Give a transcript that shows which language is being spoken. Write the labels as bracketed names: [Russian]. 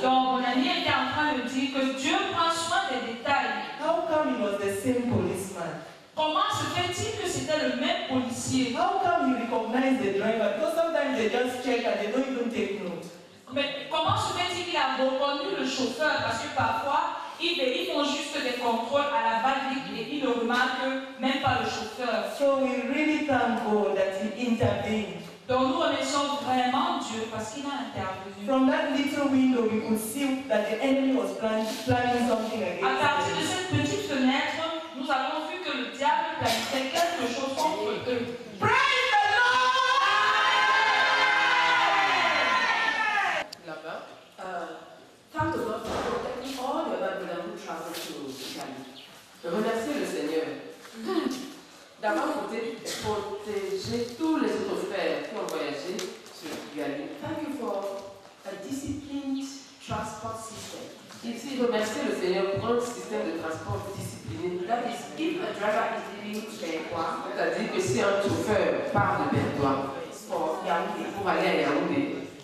[French] Donc mon ami était en train de dire que Dieu prend soin des détails. [English] How come he was the same policeman? [French] Comment se fait-il que c'était le même policier? [English] How come he recognized the driver? Because sometimes they just check and they don't even take note. [French] Mais comment se fait-il qu'il a reconnu le chauffeur? Parce que parfois, ils font juste des contrôles à la valise et ils ne remarquent même pas le chauffeur. [English] So we really thank God that he intervened. [French] Donc nous remercions vraiment Dieu parce qu'il a intervenu. [English] From that little window, we could see that the enemy was planning something against us. [French] À partir de cette petite fenêtre, nous avons vu que le diable planifiait quelque chose contre eux. [English] Praise the Lord! [French] Là-bas, [English] thank the Lord for protecting all the brethren who travel to Uganda. [French] Remercier le Seigneur. D'avoir protégé tous les autres frères qui ont voyagé sur Kigali. [English] Thank you for a disciplined transport system. [French] Ici, remercier le Seigneur pour un système de transport discipliné. [English] That is, if a driver is leaving Bergois, [French] c'est-à-dire que si un chauffeur part de Bergois pour aller à Yaoundé,